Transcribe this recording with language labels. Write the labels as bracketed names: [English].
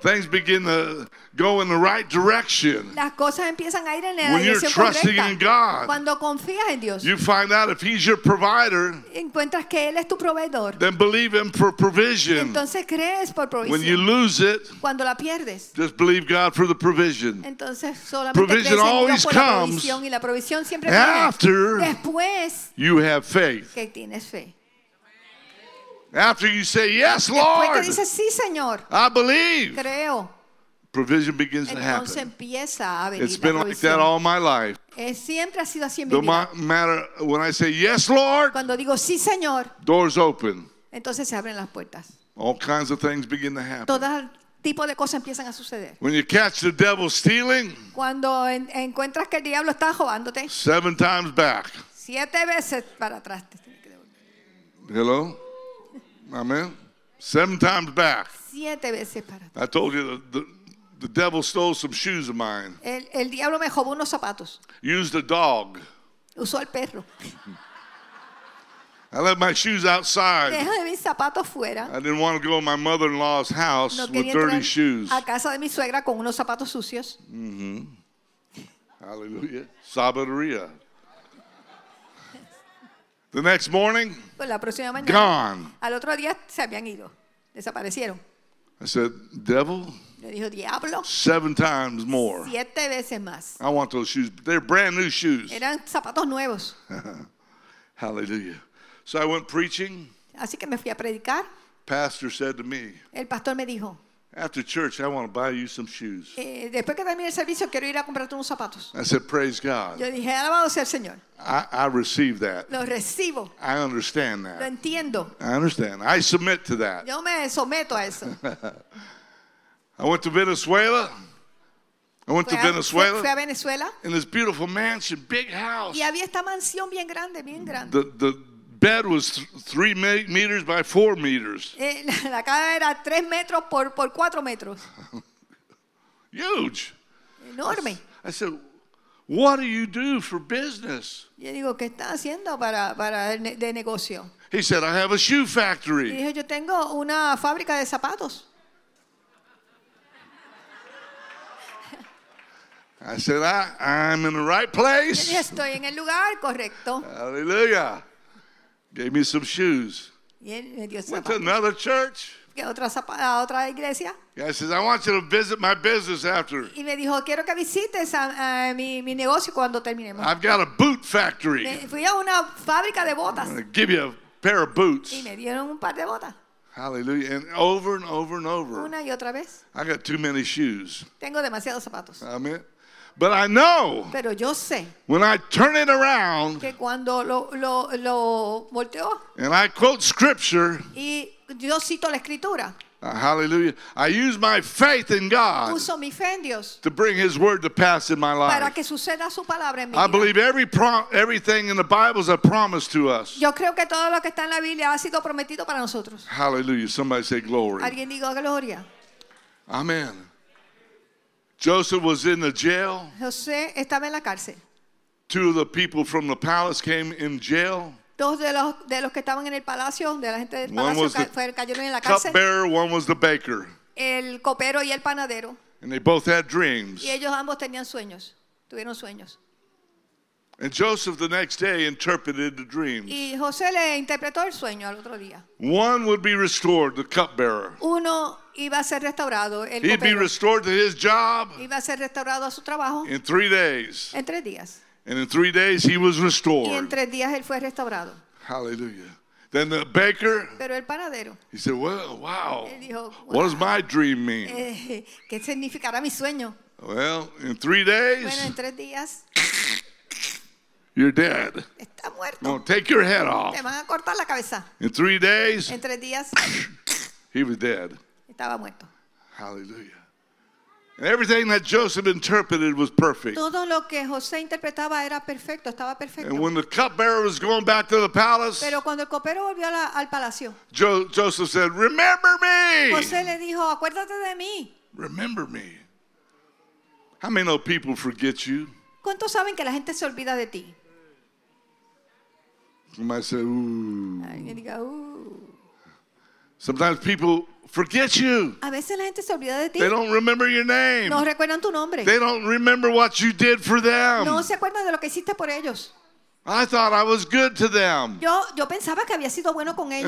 [English] Things begin to go in the right direction. [Spanish] Las cosas empiezan a ir en la dirección correcta. [English] When you're trusting in God, [Spanish] cuando confías en Dios, [English] you find out if He's your provider, [Spanish] encuentras que Él es tu proveedor, [English] then believe Him for provision. [Spanish] Entonces crees por provisión. [English] When you lose it, [Spanish] cuando la pierdes, [English] just believe God for the provision. [Spanish] Entonces, solamente [English] provision always comes after you have faith. [Spanish] Que tienes fe. [English] After you say, yes, Lord, [Spanish] que dices, sí, Señor, [English] I believe. [Spanish] Creo. [English] Provision begins [Spanish] entonces, [English] to happen. [Spanish] Empieza a venir. [English] It's been [Spanish] la provisión [English] like that all my life. [Spanish] Siempre ha sido así en [English] no [Spanish] mi vida. [English] Matter when I say, yes, Lord, [Spanish] cuando digo, sí, Señor, [English] doors open. [Spanish] Entonces, se abren las puertas. [English] All kinds of things begin to happen. [Spanish] Todas tipo de cosas empiezan a suceder. [English] When you catch the devil stealing, [Spanish] cuando encuentras que el diablo está robándote, [English] seven times back. [Spanish] Siete veces para atrás te tiene que devolver. [English] Hello? Amen. Seven times back. [Spanish] Siete veces para atrás. [English] I told you the devil stole some shoes of mine. [Spanish] El diablo me robó unos zapatos. [English] Used a dog. [Spanish] Usó al perro. [English] I left my shoes outside. [Spanish] Dejé de mis zapatos fuera. [English] I didn't want to go to my mother-in-law's house [Spanish] no [English] with dirty shoes. [Spanish] A casa de mi suegra con unos zapatos sucios. [English] Mm-hmm. Hallelujah. [Spanish] Sabiduría. [English] The next morning, [Spanish] pues la próxima mañana, [English] gone. [Spanish] Al otro día se habían ido. Desaparecieron. [English] I said, devil. [Spanish] Le dijo, diablo. [English] Seven times more. [Spanish] Siete veces más. [English] I want those shoes. They're brand new shoes. [Spanish] Eran zapatos nuevos. [English] Hallelujah. So I went preaching. [Spanish] Así que me fui a predicar. [English] Pastor said to me, [Spanish] el pastor me dijo, [English] after church, I want to buy you some shoes. [Spanish] Después que termine el servicio, quiero ir a comprarte unos zapatos. [English] I said, praise God. [Spanish] Yo dije, alabado sea el Señor. [English] I receive that. [Spanish] Lo recibo. [English] I understand that. [Spanish] Lo entiendo. [English] I understand. I submit to that. [Spanish] Yo me someto a eso. [English] I went to Venezuela. I went to Venezuela. [Spanish] Fui a Venezuela. [English] In this beautiful mansion, big house. [Spanish] Y había esta mansión bien grande, bien grande. [English] The bed was 3 meters by 4 meters. [Spanish] La cama era 3 metros por 4 metros. [English] Huge. [Spanish] Enorme. [English] I said, what do you do for business? [Spanish] Yo digo, ¿qué estás haciendo para de negocio? [English] He said, I have a shoe factory. [Spanish] Y dije, yo tengo una fábrica de zapatos. [English] I said, I'm in the right place. [Spanish] Yo dije, estoy en el lugar correcto. [English] Hallelujah. Gave me some shoes. Went to another church. [Spanish] Otra iglesia. [English] Guy says, I want you to visit my business after. [Spanish] Y me dijo, quiero que visites mi negocio cuando terminemos. [English] I've got a boot factory. [Spanish] Fui a una fábrica de botas. [English] Give you a pair of boots. [Spanish] Y me dieron un par de botas. [English] Hallelujah. And over and over and over. [Spanish] Una y otra vez. [English] I got too many shoes. [Spanish] Tengo demasiados zapatos. [English] Amen. But I know. [Spanish] Pero yo sé. [English] When I turn it around. [Spanish] Que cuando lo volteo. [English] And I quote scripture. [Spanish] Y yo cito la escritura. [English] Hallelujah. I use my faith in God. [Spanish] Uso mi fe en Dios. [English] To bring His word to pass in my life. [Spanish] Para que suceda su palabra en mi vida. [English] I believe everything in the Bible is a promise to us. [Spanish] Yo creo que todo lo que está en la Biblia ha sido prometido para nosotros. [English] Hallelujah. Somebody say glory. [Spanish] Alguien diga gloria. [English] Amen. Joseph was in the jail. [Spanish] José estaba en la cárcel. [English] Two of the people from the palace came in jail. [Spanish] Dos de los que estaban en el palacio, de la gente del palacio, cayeron en la cárcel. [English] Cupbearer, one was the baker. [Spanish] El copero y el panadero. [English] And they both had dreams. [Spanish] Y ellos ambos tenían sueños. Tuvieron sueños. [English] And Joseph the next day interpreted the dreams. [Spanish] Y José le interpretó el sueño al otro día. [English] One would be restored, the cupbearer. [Spanish] Uno iba a ser restaurado, el copero. [English] He'd be restored to his job. [Spanish] Iba a ser restaurado a su trabajo. [English] In 3 days. [Spanish] En tres días. [English] And in 3 days he was restored. [Spanish] Y en tres días él fue restaurado. [English] Hallelujah. Then the baker. [Spanish] Pero el panadero. [English] He said, "Well, wow. [Spanish] Él dijo, wow. [English] What does my dream mean? [Spanish] ¿Qué significará mi sueño? [English] Well, in 3 days. [Spanish] Bueno, en tres días. [English] You're dead. [Spanish] Está muerto. [English] No, take your head off. [Spanish] Te van a cortar la cabeza. [English] In 3 days. [Spanish] En tres días. [English] He was dead. [Spanish] Estaba muerto. [English] Hallelujah. And everything that Joseph interpreted was perfect. [Spanish] Todo lo que José interpretaba era perfecto, estaba perfecto. [English] And when the cupbearer was going back to the palace, [Spanish] pero cuando el copero volvió al palacio, [English] Joseph said, "Remember me." [Spanish] José le dijo, "Acuérdate de mí." [English] Remember me. How many know people forget you? [Spanish] ¿Cuántos saben que la gente se olvida de ti? [English] You might say, "Ooh." [Spanish] Alguien diga, "Ooh." [English] Sometimes people forget you. [Spanish] A veces la gente se olvida de ti. [English] They don't remember your name. [Spanish] No recuerdan tu nombre. [English] They don't remember what you did for them. [Spanish] No se acuerdan de lo que hiciste por ellos. [English] I thought I was good to them. [Spanish] Yo pensaba que había sido bueno con ellos.